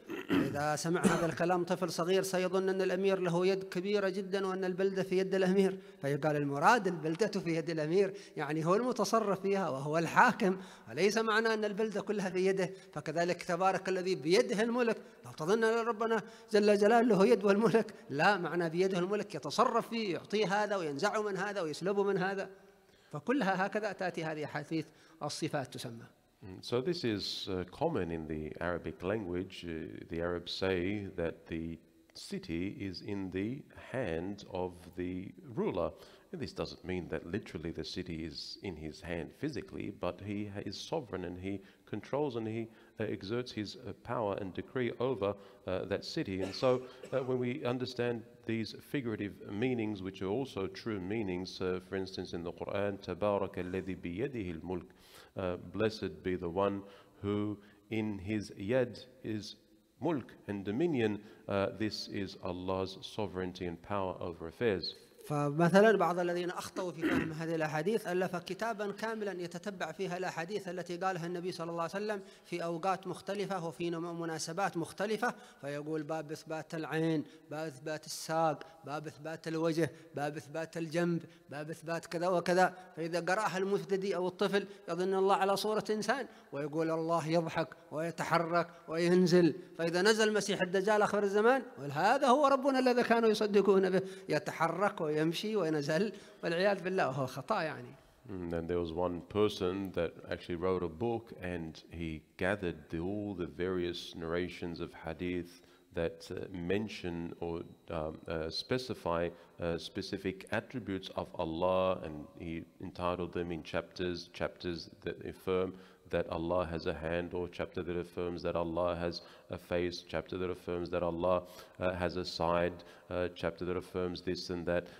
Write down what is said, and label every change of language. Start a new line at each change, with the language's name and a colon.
Arabic: إذا سمع هذا الكلام طفل صغير سيظن أن الأمير له يد كبيرة جدا وأن البلدة في يد الأمير فيقال المراد البلدة في يد الأمير يعني هو المتصرف فيها وهو الحاكم وليس معنى أن البلدة كلها في يده فكذلك تبارك الذي بيده الملك لو تظن أن ربنا جل جلاله له يد والملك لا معنى بيده الملك يتصرف فيه يعطيه هذا وينزع من هذا ويسلبه من هذا فكلها هكذا تأتي هذه حديث الصفات تسمى.
English: So this is common in the Arabic language. The Arabs say that the city is in the hand of the ruler. And this doesn't mean that literally the city is in his hand physically, but he is sovereign and he controls and he exerts his power and decree over that city. And so when we understand these figurative meanings, which are also true meanings, for instance in the Quran,
Arabic: تَبَارَكَ الَّذِي بِيَدِهِ الْمُلْكِ,
English: blessed be the one who in his yad is mulk and dominion. This is Allah's sovereignty and power over affairs.
Arabic: فمثلا بعض الذين أخطأوا في فهم هذه الأحاديث ألف كتابا كاملا يتتبع فيها الأحاديث التي قالها النبي صلى الله عليه وسلم في أوقات مختلفة وفي مناسبات مختلفة فيقول باب إثبات العين باب إثبات الساق باب إثبات الوجه باب إثبات الجنب باب إثبات كذا وكذا فإذا قرأها المفتدي أو الطفل يظن الله على صورة إنسان ويقول الله يضحك ويتحرك وينزل فإذا نزل المسيح الدجال آخر الزمان هذا هو ربنا الذي كانوا يصدقون به يتحرك ويمشي وينزل والعياذ بالله هو خطأ يعني.
English: And there was one person that actually wrote a book and he gathered all the various narrations of hadith that mention or specify specific attributes of Allah, and he entitled them in chapters that affirm that Allah has a hand, or chapter that affirms that Allah has a face, chapter that affirms that Allah has a side, chapter that affirms this and that.